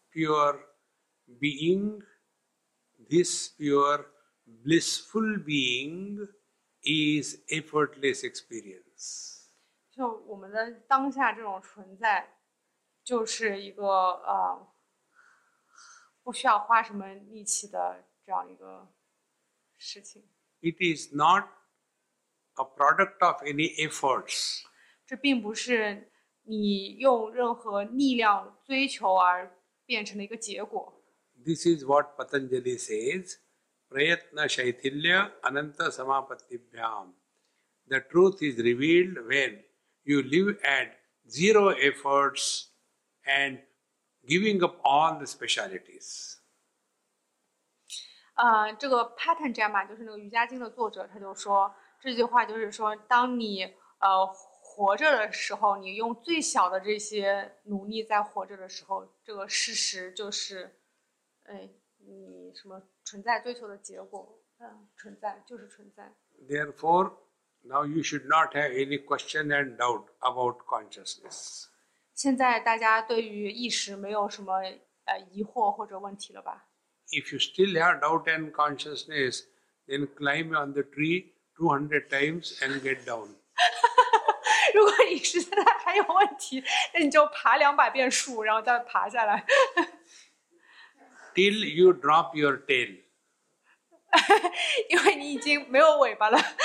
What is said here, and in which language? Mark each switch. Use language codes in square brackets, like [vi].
[en] pure being, this pure blissful being. Is effortless experience. [zh] 就我们的当下这种存在，就是一个不需要花什么力气的这样一个事情。 [en] It is not a product of any efforts. [zh] 这并不是你用任何力量追求而变成了一个结果。 [en] This is what Patanjali says, [sa] prayatna shaithilya ananta samapattibhyam. [en] The truth is revealed when you live at zero efforts and giving up all the specialities. [zh] 这个 Patanjali 就是那个瑜伽经的作者，他就说这句话，就是说，当你活着的时候，你用最小的这些努力在活着的时候，这个事实就是，你什么存在追求的结果，存在就是存在。 [en] Therefore, now you should not have any question and doubt about consciousness. [zh] 现在大家对于意识没有什么疑惑或者问题了吧？ [en] If you still have doubt and consciousness, then climb on the tree 200 times and get down. [zh] 如果你实在还有问题，那你就爬200遍树，然后再爬下来。 [en] Till you drop your tail. [zh] 因为你已经没有尾巴了。